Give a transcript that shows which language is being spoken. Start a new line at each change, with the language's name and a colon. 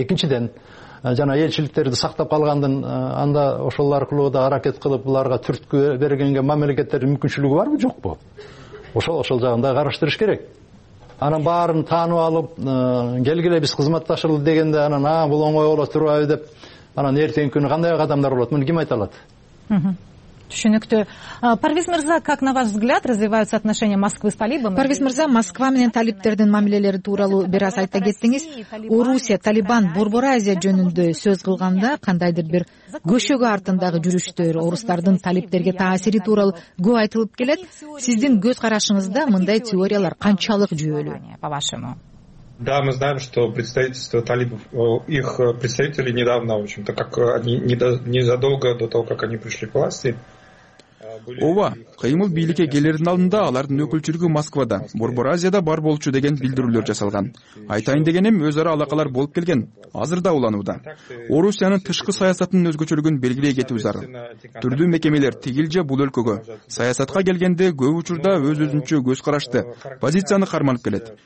Kyrgyz: Экинчиден жана элчиликтерди сактап калгандын анда ошол аркылуу да аракет кылып буларга түрткү бергенге мамлекеттердин мүмкүнчүлүгү барбы жокпу, ошол жагын дагы караштырыш керек. Анан баарын таанып алып келгиле биз кызматташалы дегенде анан бул оңой боло турбайбы деп анан эртеңки күнү кандай кадамдар болот, муну ким айта алат? Түшүнүктүү.
Russian: Парвиз мырза, как на ваш взгляд развиваются отношения Москвы с талибами?
Kyrgyz: Парвиз мырза, Москва менен талиптердин мамилелери тууралуу бир аз айта кеттиңиз. Орусия, Талибан, Борбор Азия жөнүндө сөз кылганда кандайдыр бир көшөгө артындагы жүрүштөр, орустардын талиптерге таасири тууралуу көп айтылып келет. Сиздин көз карашыңызда мындай теориялар канчалык жүйөлүү?
Russian: По-вашему. Да, мы знаем, что представительство талибов, их представители недавно, в общем-то, как они незадолго до того, как они пришли к власти.
Kyrgyz: Ооба, кыймыл бийликке келердин алдында алардын өкүлчүлүгү Москвада, Борбор Азияда бар болчу деген билдирүүлөр жасалган. Айтайын дегеним, өз ара алакалар болуп келген, азыр да уланууда. Орусиянын тышкы саясатынын өзгөчөлүгүн белгилей кетүү зарыл. Түрдүү мекемелер тигил же бул өлкөгө саясатка келгенде көп учурда өз өзүнчө көз карашты, позицияны карманып келет.